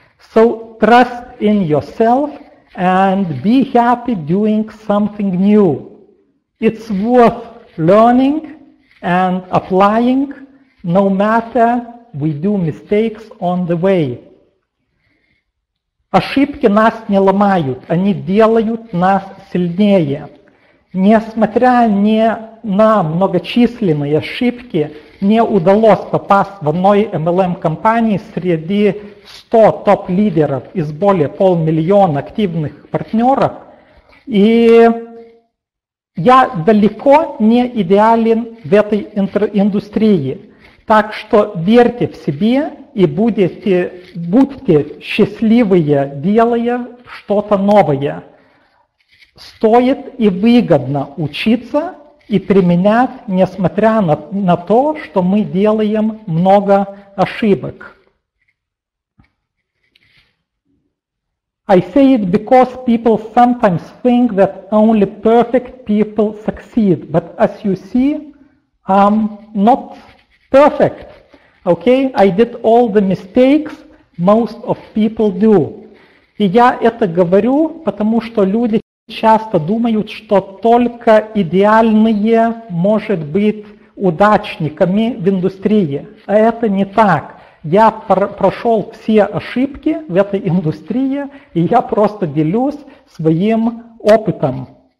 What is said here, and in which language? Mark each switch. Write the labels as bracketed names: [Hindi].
[English] So trust in yourself and be happy doing something new. It's worth learning and applying. No matter, we do mistakes on the way. [Russian] Ошибки нас не ломают, они делают нас сильнее. Несмотря ни на многочисленные ошибки, мне удалось попасть в одной MLM-компании среди 100 топ-лидеров из более 500,000 активных партнеров. И я далеко не идеален в этой индустрии. Так что верьте в себе и будьте счастливые, делая что-то новое. Стоит и выгодно учиться и применять, несмотря на то, что мы делаем много ошибок. [English] I say it because people sometimes think that only perfect people succeed. But as you see, I'm not perfect. Okay, I did all the mistakes most of people do. [Russian] И я это говорю, потому что люди часто думают, что только идеальные могут быть удачниками в индустрии. А это не так. Я прошел все ошибки в этой индустрии, и я просто делюсь своим опытом.